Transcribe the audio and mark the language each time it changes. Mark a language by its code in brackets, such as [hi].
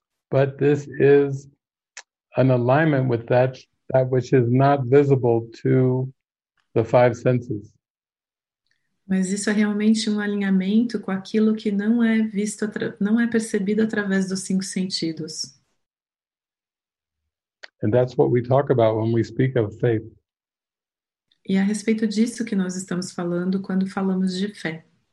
[en] But this is an alignment with that which is not visible to the five senses. [pt] Mas isso é realmente um alinhamento com aquilo que não é visto, não é percebido através dos cinco sentidos. [en] And that's what we talk about when we speak of faith. [pt] E a respeito disso que nós estamos falando quando falamos de fé.